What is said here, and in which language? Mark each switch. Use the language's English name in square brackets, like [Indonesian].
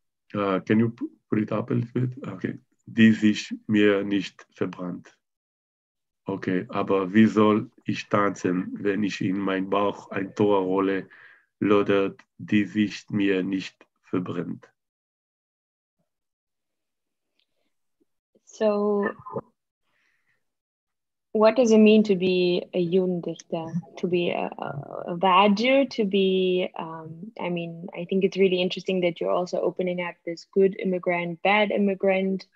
[English] Can you put it up a little bit? [German] Okay. Die sich mir nicht verbrannt. Okay, aber wie soll ich tanzen, wenn ich in mein Bauch eine Torahrolle lodert, die sich mir nicht verbrennt? [English] So, what does it mean to be a Judendichter? To be a bad Jew? To be, I mean, I think it's really interesting that you're also opening up this good immigrant, bad immigrant.